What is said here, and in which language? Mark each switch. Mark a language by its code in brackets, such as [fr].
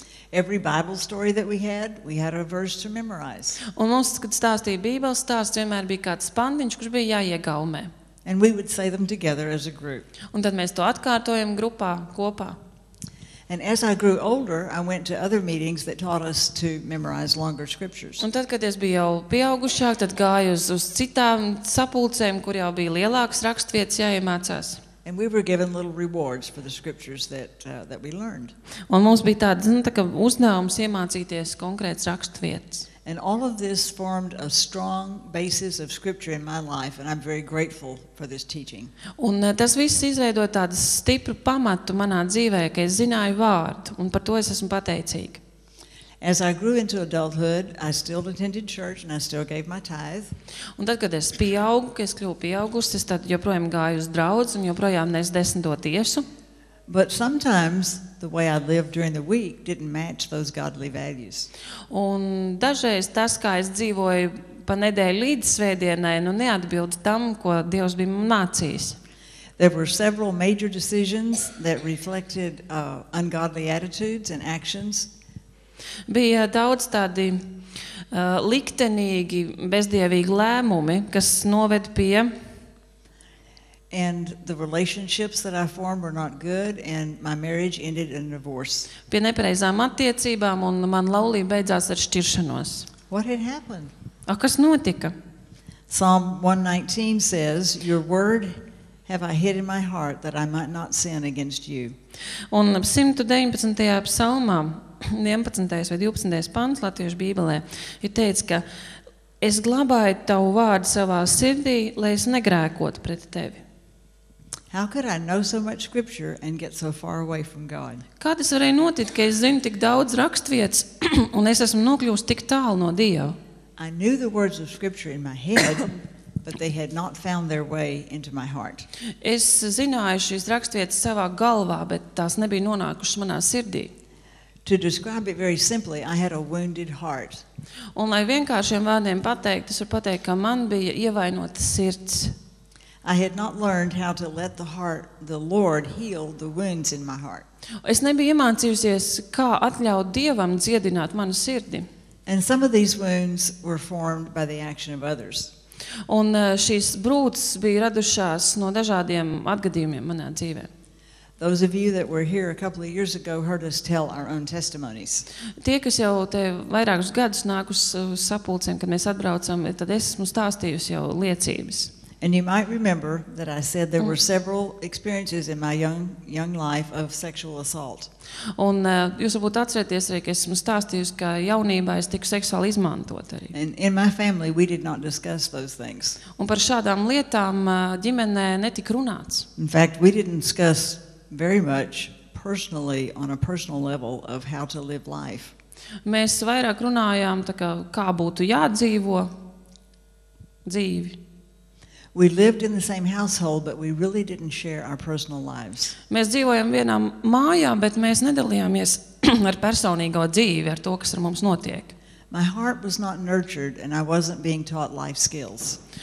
[en] Every Bible story that we had a verse to memorize. [lv] Un mums, kad stāstīja Bībeles stāsts, vienmēr bija kāds pandiņš, kurš bija jāiegaumē. [en] And we would say them together as a group. [lv] Un tad mēs to atkārtojam grupā kopā. [en] And as I grew older, I went to other meetings that taught us to memorize longer scriptures. [lv] Un tad, kad es biju jau pieaugušāk, tad gāju uz citām sapulcēm, kur jau bija lielākas rakstvietas jāiemācās. [en] And we were given little rewards for the scriptures that we learned. [lv] Un mums bija tāds, nu, tā kā uzdevums iemācīties konkrētas rakstvietas. [en] And all of this formed a strong basis of scripture in my life, and I'm very grateful for this teaching. [lv] Un tas viss izveido tādu stipru pamatu manā dzīvē, ka es zināju vārdu, un par to es esmu pateicīga. [en] As I grew into adulthood, I still attended church and I still gave my tithe. [lv] Un tad, kad es pieaugu, kad es kļuvu pieaugusi, es tad joprojām gāju uz draudzi un joprojām nes desmito tiesu. [en] But sometimes the way I lived during the week didn't match those godly values. [lv] Un dažreiz tas, kā es dzīvoju pa nedēļu līdz svētdienai, nu neatbilda tam, ko Dievs bija mācījis. [en] There were several major decisions that reflected ungodly attitudes and actions. [lv] Bija daudz tādi liktenīgi, bezdievīgi lēmumi, kas noved pie. [en] And the relationships that I formed were not good and my marriage ended in divorce. [lv] Pie nepareizām attiecībām un man laulība beidzās ar šķiršanos. [en] What had happened? [lv] A, kas notika? [en] Psalm 119 says, your word have I hid in my heart that I might not sin against you. [lv] Un 119. Psalmā, 11. vai 12. pants Latviešu Bībelē, ir teicis, ka es glabāju tavu vārdu savā sirdī, lai es negrēkotu pret tevi. [en] How could I know so much scripture and get so far away from God? [lv] Kā tas varēja notikt, ka es zinu tik daudz rakstvietas un es esmu nokļūst tik tālu no Dieva? [en] I knew the words of scripture in my head, but they had not found their way into my heart. [lv] Es zināju šīs rakstvietas savā galvā, bet tās nebija nonākušas manā sirdī. [en] To describe it very simply, I had a wounded heart. [lv] Un lai vienkāršiem vārdiem pateikt, es varu pateikt, ka man bija ievainota sirds. [en] I had not learned how to let the Lord heal the wounds in my heart. [lv] Es nebiju iemācījusies, kā atļaut Dievam dziedināt manu sirdi. [en] And some of these wounds were formed by the action of others. [lv] Un šīs brūces bija radušās no dažādiem atgadījumiem manā dzīvē. [en] Those of you that were here a couple of years ago heard us tell our own testimonies. [lv] Tie, kas jau te vairākus gadus nākus sapulcēm, kad mēs atbraucam, tad es esmu stāstījusi jau liecības. [en] And you might remember that I said there were several experiences in my young life of sexual assault. [lv] Un jūs varbūt atcerieties, ka esmu stāstījis, ka jaunībā es tiku seksuāli izmantot arī. [en] And in my family we did not discuss those things. [lv] Un par šādām lietām ģimenē netika runāts. [en] In fact, we didn't discuss very much personally on a personal level of how to live life. [lv] Mēs vairāk runājām, tā kā būtu jādzīvo dzīvi. [en] We lived in the same household, but we really didn't share our personal lives. [lv] Mēs dzīvojam vienā mājā, bet mēs nedalījāmies ar personīgo dzīvi, ar to, kas ar mums notiek. [en] My heart was not nurtured and I wasn't being taught life skills.